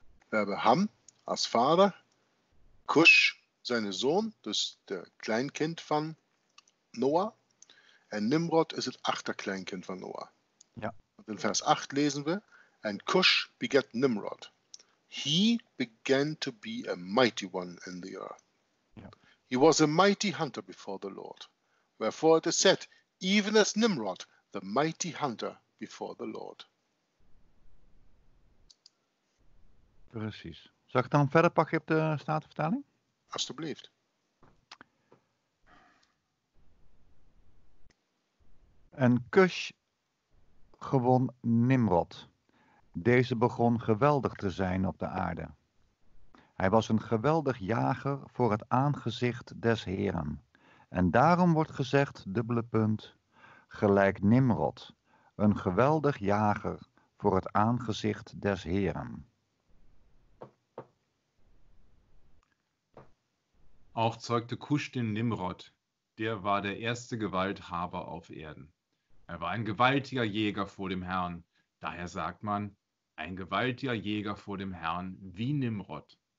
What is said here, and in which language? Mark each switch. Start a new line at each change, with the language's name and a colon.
German: Wir haben Ham als Vater, Kusch, seinen Sohn, das ist der Kleinkind von Noah. Und Nimrod ist das Achterkleinkind von Noah. Ja. Und in Vers 8 lesen wir, und Kusch begat Nimrod.
English: He began to be a mighty one in the earth. Yeah. He was a mighty hunter before the Lord. Wherefore it is said, even as Nimrod, the mighty hunter before the Lord.
Dutch: Precies. Zal ik dan verder pakken op de Statenvertaling? Alsjeblieft. En Cush gewon Nimrod. Deze begon geweldig te zijn op de aarde. Hij was een geweldig jager voor het aangezicht des Heren. En daarom wordt gezegd, dubbele punt, gelijk Nimrod, een geweldig jager voor het aangezicht des Heren.
German: Auch zeugte Kusch den Nimrod, der war der erste Gewalthaber auf Erden. Er war ein gewaltiger Jäger vor dem Herrn, daher sagt man, ein gewaltiger Jäger vor dem Herrn, wie Nimrod.